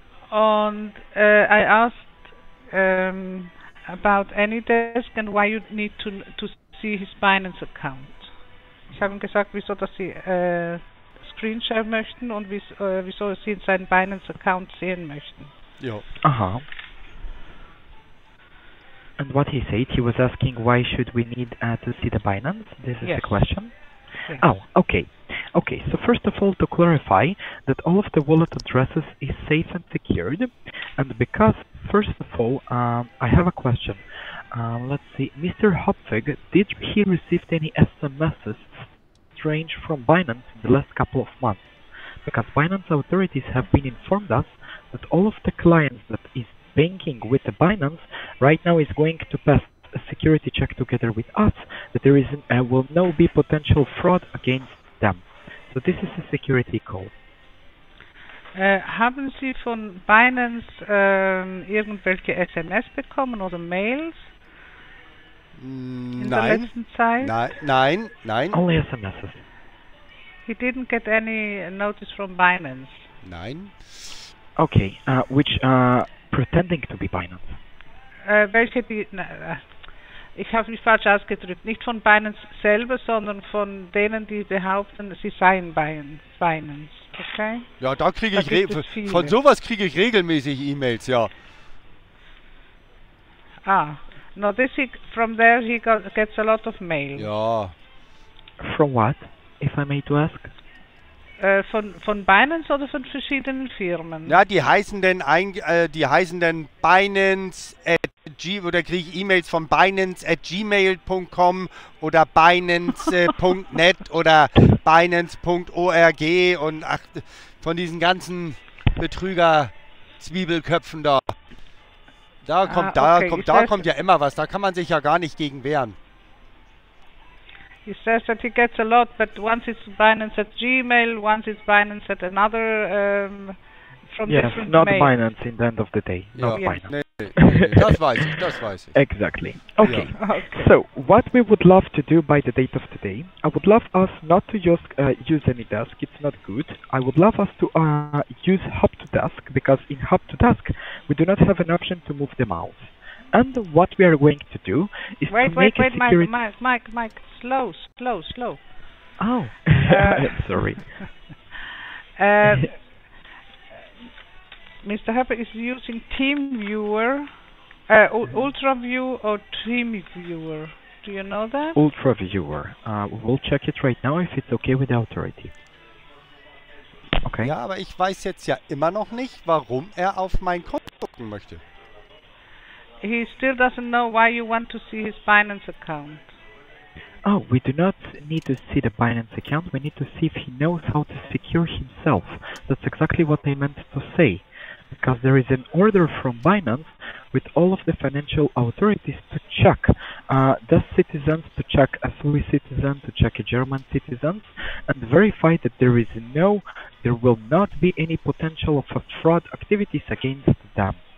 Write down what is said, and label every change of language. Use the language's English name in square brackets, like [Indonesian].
[English] And I asked about AnyDesk and why you need to see his Binance account. [German] Ich habe ihm gesagt, wieso dass sie Screenshare möchten und wieso sie seinen Binance Account sehen möchten. Ja. Aha. [English] And what he said, he was asking why should we need to see the Binance? This is yes. the question. Yes. Oh, okay. Okay, so first of all, to clarify that all of the wallet addresses is safe and secured. And because, first of all, I have a question. Let's see, Mr. Hopfig, did he receive any SMSs strange from Binance in the last couple of months? Because Binance authorities have been informed us that all of the clients that is banking with the Binance right now is going to pass a security check together with us, that there is will no be potential fraud against them. So this is a security call. [German] Haben Sie von Binance irgendwelche SMS bekommen oder Mails nein. in der letzten Zeit? Nein, nein, nein. [English] Only SMSs. He didn't get any notice from Binance. [German] Nein. [English] Okay, which pretending to be Binance? [German] Welche die... Ich habe mich falsch ausgedrückt. Nicht von Binance selber, sondern von denen, die behaupten, sie seien Binance. [English] Okay? [German] Ja, da kriege ich von sowas kriege ich regelmäßig E-Mails, ja. [English] Ah, no, this from there he gets a lot of mail. [German] Ja. [English] From what, if I may to ask? [German] Von Binance oder von verschiedenen Firmen? Ja, die heißen denn Binance @G oder kriege ich E-Mails von Binance@gmail.com oder Binance.net oder Binance.org und ach, von diesen ganzen Betrüger-Zwiebelköpfen da. Da kommt ja immer was, da kann man sich ja gar nicht gegen wehren. [English] He says that he gets a lot, but once it's Binance@gmail, once it's Binance@another, from yes, different not mails. Binance in the end of the day, not yeah. Binance. [German] Nee, das weiß ich, das weiß ich. [English] Exactly. Okay. Yeah. Okay. So, what we would love to do by the date of today, I would love us not to just use AnyDesk, it's not good. I would love us to use Hub2Desk, because in Hub2Desk, we do not have an option to move the mouse. And what we are going to do is wait, Mike, slow. Oh, sorry. Mr. Hepper is using TeamViewer, UltraView or TeamViewer. Do you know that? UltraViewer. We'll check it right now if it's okay with the authority. Okay. [German] Ja, aber ich weiß jetzt ja immer noch nicht, warum auf mein Konto gucken möchte. [English] He still doesn't know why you want to see his Binance account. Oh, we do not need to see the Binance account. We need to see if he knows how to secure himself. That's exactly what I meant to say. Because there is an order from Binance with all of the financial authorities to check the citizens, to check a Swiss citizen, to check a German citizen, and verify that there will not be any potential of a fraud activities against them.